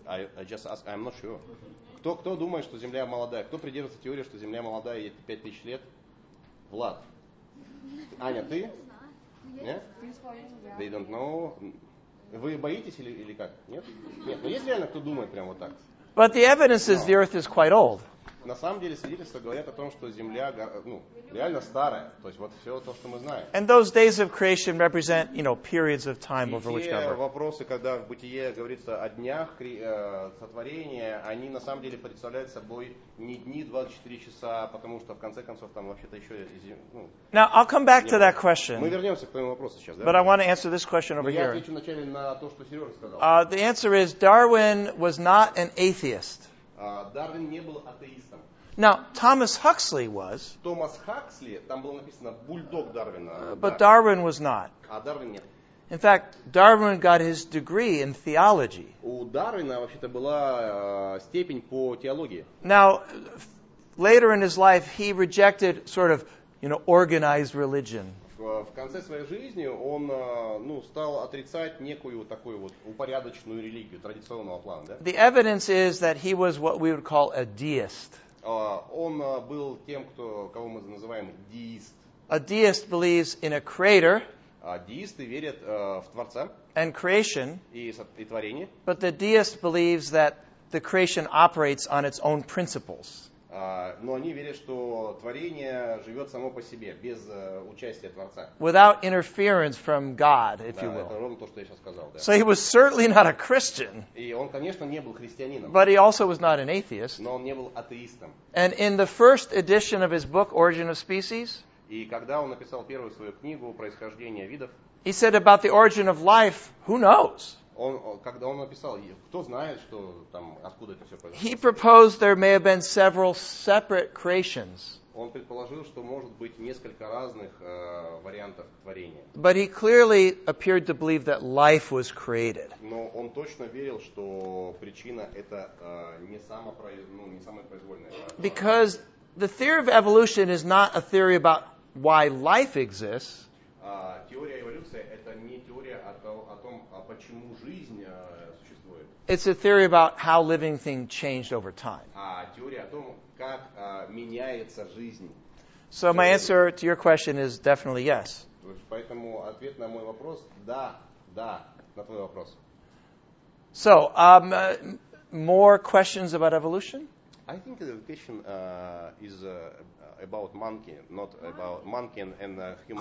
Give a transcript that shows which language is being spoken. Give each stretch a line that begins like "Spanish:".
English: I just ask, I'm not sure.
Russian: Кто думает, что Земля молодая? Кто придерживается теории, что Земля молодая и это 5000 лет? Влад. Аня, ты? Нет?
English: They don't know.
Russian: Вы боитесь или как? Нет? Нет, но есть реально кто думает прямо вот так?
English: But the evidence is the earth is quite old.
Russian: На самом деле свидетельства говорят о том, что Земля ну, реально старая. То есть вот все то, что мы знаем.
English: And those days of creation represent, you know, periods of time over which
Russian: cover. И те вопросы, когда в Бытие говорится о днях сотворения, они на самом деле представляют собой не дни 24 часа, потому что в конце концов там вообще-то еще... Ну,
English: Now, I'll come back to that question.
Russian: Мы вернемся к твоему вопросу сейчас, да?
English: But I want to answer this question over here.
Russian: Но я отвечу вначале на то, что Сережа сказал.
English: The answer is, Darwin was not an atheist.
Russian: Дарвин не был атеистом.
English: Now, Thomas Huxley was.
Russian: Томас Хаксли, там было написано бульдог Дарвина.
English: But Darwin was not.
Russian: А Дарвин нет.
English: In fact, Darwin got his degree in theology.
Russian: У Дарвина вообще-то была степень по теологии.
English: Now, later in his life, he rejected sort of, you know, organized religion.
Russian: В конце своей жизни он ну, стал отрицать некую такую вот упорядоченную религию традиционного плана. Да?
English: The evidence is that he was what we would call a deist.
Russian: Он был тем, кто, кого мы называем деист.
English: A deist believes in a creator.
Russian: Деисты верят в Творца.
English: And creation.
Russian: И творение.
English: But the deist believes that the creation operates on its own principles.
Russian: Но они верят, что творение живет само по себе, без участия Творца.
English: Without interference from God, if you will.
Russian: Да, это ровно то, что я сейчас сказал, да.
English: So he was certainly not a Christian.
Russian: И он, конечно, не был христианином.
English: But he also was not an atheist.
Russian: Но он не был атеистом.
English: And in the first edition of his book, Origin of Species,
Russian: и когда он написал первую свою книгу «Происхождение видов»,
English: he said about the origin of life, who knows?
Russian: Он, когда он написал, кто знает, что там, откуда это все произошло?
English: He proposed there may have been several separate creations.
Russian: Он предположил, что может быть несколько разных вариантов творения.
English: But he clearly appeared to believe that life was created.
Russian: Но он точно верил, что причина это не самопроизвольная.
English: Because the theory of evolution is not a theory about why life exists.
Russian: Теория эволюции – это не теория о том, о почему жизнь существует.
English: It's a theory about how living things changed over time.
Russian: А теория о том, как меняется жизнь. So теория.
English: My answer to your question is definitely yes.
Russian: Поэтому ответ на мой вопрос – да, да, на твой вопрос.
English: So, more questions about evolution? I think the question is about monkey, not about monkey and human.